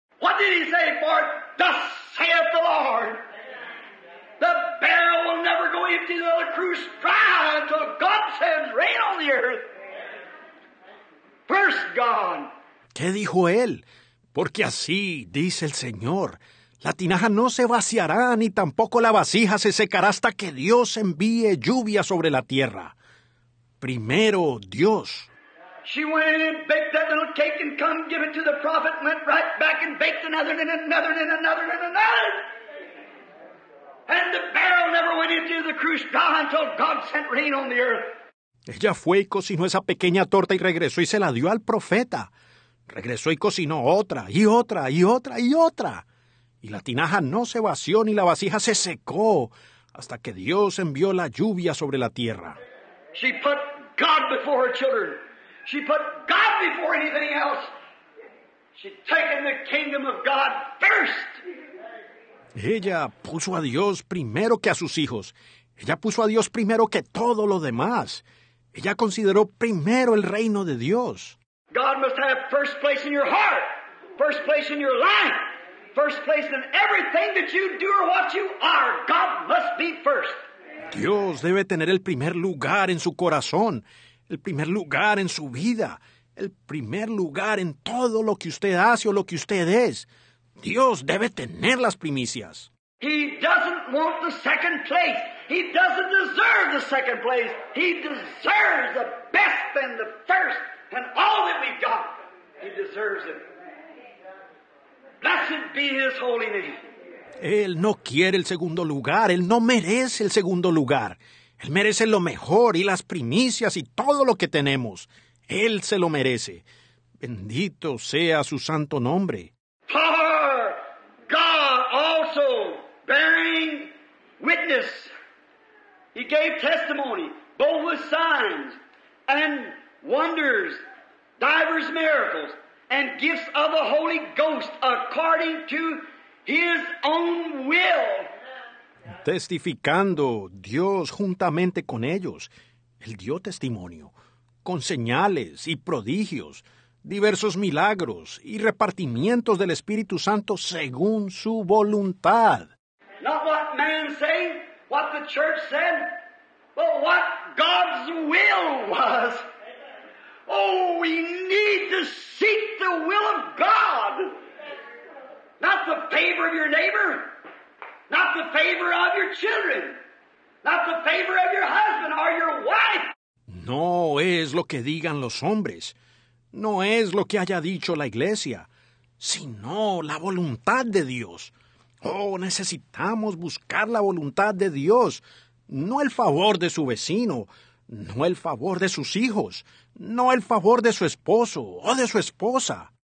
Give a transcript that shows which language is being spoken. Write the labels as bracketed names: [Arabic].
[English] What did he say? For thus saith the Lord, the barrel will never go empty, though the cruse dry until God sends rain on the earth. First God. [Spanish] ¿Qué dijo él? Porque así, dice el Señor, la tinaja no se vaciará ni tampoco la vasija se secará hasta que Dios envíe lluvia sobre la tierra. Primero, Dios. [English] She went and baked that little cake and come give it to the prophet and went right back and baked another and another and another and another. And the barrel never went into the cruse dry until God sent rain on the earth. [Spanish] Ella fue y cocinó esa pequeña torta y regresó y se la dio al profeta. Regresó y cocinó otra, y otra, y otra, y otra. Y la tinaja no se vació ni la vasija se secó hasta que Dios envió la lluvia sobre la tierra. [English] She put God before her children. She put God before anything else. She'd taken the kingdom of God first. [Spanish] Ella puso a Dios primero que a sus hijos. Ella puso a Dios primero que todo lo demás. Ella consideró primero el reino de Dios. [English] God must have first place in your heart, first place in your life, first place in everything that you do or what you are. God must be first. [Spanish] Dios debe tener el primer lugar en su corazón, el primer lugar en su vida, el primer lugar en todo lo que usted hace o lo que usted es. Dios debe tener las primicias. [English] He doesn't want the second place. He doesn't deserve the second place. He deserves the best and the first and all that we've got. He deserves it. Blessed be his holy name. [Spanish] Él no quiere el segundo lugar. Él no merece el segundo lugar. Él merece lo mejor y las primicias y todo lo que tenemos. Él se lo merece. Bendito sea su santo nombre. [English] For God also bearing witness. He gave testimony, both with signs and wonders, divers miracles, and gifts of the Holy Ghost according to His own will. [Spanish] Testificando Dios juntamente con ellos, Él dio testimonio, con señales y prodigios, diversos milagros y repartimientos del Espíritu Santo según su voluntad. [English] Not what man said, what the church said, but what God's will was. Oh, we need to seek the will of God. Not the favor of your neighbor, not the favor of your children, not the favor of your husband or your wife. [Spanish] No es lo que digan los hombres, no es lo que haya dicho la iglesia, sino la voluntad de Dios. Oh, necesitamos buscar la voluntad de Dios, no el favor de su vecino, no el favor de sus hijos, no el favor de su esposo o de su esposa.